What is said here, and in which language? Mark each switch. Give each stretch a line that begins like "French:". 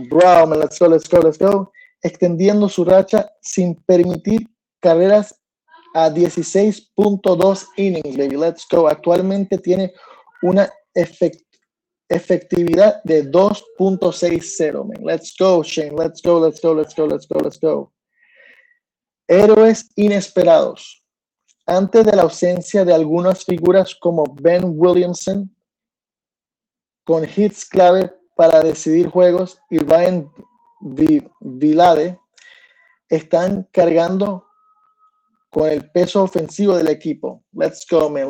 Spanish: Bravo, man.
English: Let's go, let's go, let's go.
Spanish: Extendiendo su racha sin permitir carreras a 16.2 innings, baby, let's go. Actualmente tiene una efectividad de 2.60, man.
English: Let's go, Shane. Let's go, let's go, let's go, let's go, let's go.
Spanish: Héroes inesperados. Antes de la ausencia de algunas figuras como Ben Williamson, con hits clave para decidir juegos, y Ryan Vilade, están cargando con el peso ofensivo del equipo.
English: Let's go, man.